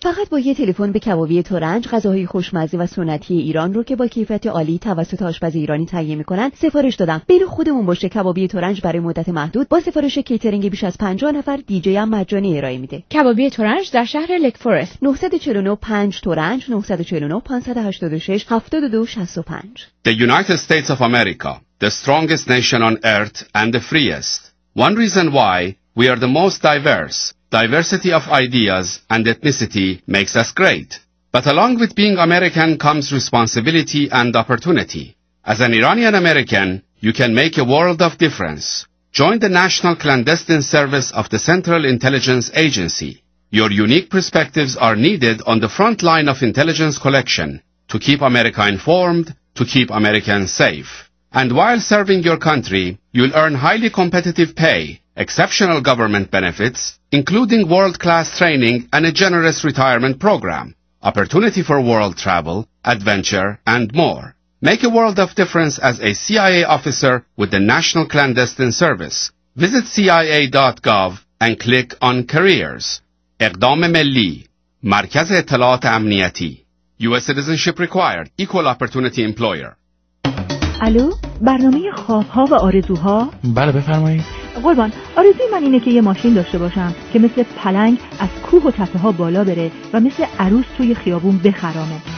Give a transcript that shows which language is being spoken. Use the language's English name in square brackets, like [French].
[Persian] فقط با یه تلفن به کبابی تورنج، غذاهای خوشمزه و سنتی ایران رو که با کیفیت عالی توسط آشپز ایرانی تهیه می‌کنن، سفارش دادم. بین خودمون باشه، کبابی تورنج برای مدت محدود با سفارش کیترینگ بیش از 50 نفر دیجی هم مجانی ارائه میده. کبابی تورنج در شهر لک فورست، 949-5-TORANGE 949-586-7265. [English] The United States of America, the strongest nation on earth and the freest. One reason why we are the most diverse. Diversity of ideas and ethnicity makes us great. But along with being American comes responsibility and opportunity. As an Iranian American, you can make a world of difference. Join the National Clandestine Service of the Central Intelligence Agency. Your unique perspectives are needed on the front line of intelligence collection to keep America informed, to keep Americans safe. And while serving your country, you'll earn highly competitive pay, exceptional government benefits, including world-class training and a generous retirement program, opportunity for world travel, adventure, and more. Make a world of difference as a CIA officer with the National Clandestine Service. Visit CIA.gov and click on Careers. [Persian] اقدام ملی، مرکز اطلاعات امنیتی. [English] U.S. citizenship required. Equal opportunity employer. [Persian] الو، برنامه خوابها و آرزوها؟ بله بفرمایید. قربان، آرزوی من اینه که یه ماشین داشته باشم که مثل پلنگ از کوه و تپه ها بالا بره و مثل عروس توی خیابون بخرامه.